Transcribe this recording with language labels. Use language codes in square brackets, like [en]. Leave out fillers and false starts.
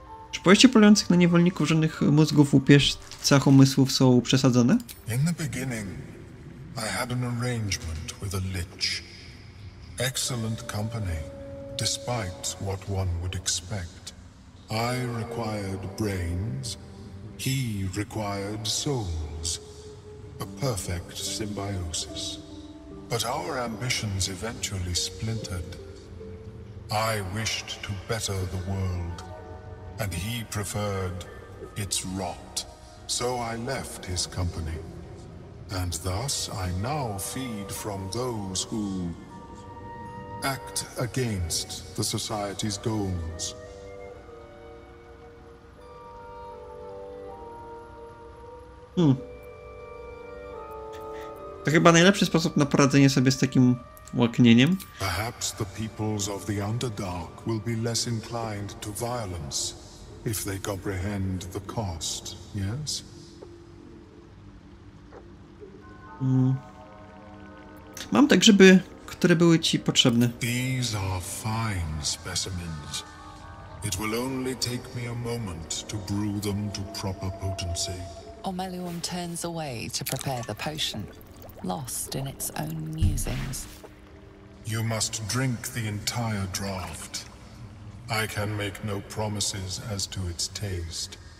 [pl] Czy pojęcie polujących na niewolników żadnych mózgów łupieżcach umysłów są przesadzone? [en] In the beginning, I had an arrangement with a lich. Excellent company, despite what one would expect. I required brains. He required souls. A perfect symbiosis. But our ambitions eventually splintered. I wished to better the world, and he preferred its rot. So I left his company. And thus I now feed from those who act against the society's goals. [pl] To chyba najlepszy sposób na poradzenie sobie z takim łaknieniem. [en] Perhaps the peoples of the Underdark will be less inclined to violence if they comprehend the cost, yes? [pl] Mam te grzyby, które były ci potrzebne. [en] These are fine specimens. It will only take me a moment to brew them to proper potency. Omeliwum turns away to prepare the potion, lost in its own musings. You must drink the entire draught. I can make no promises as to its taste.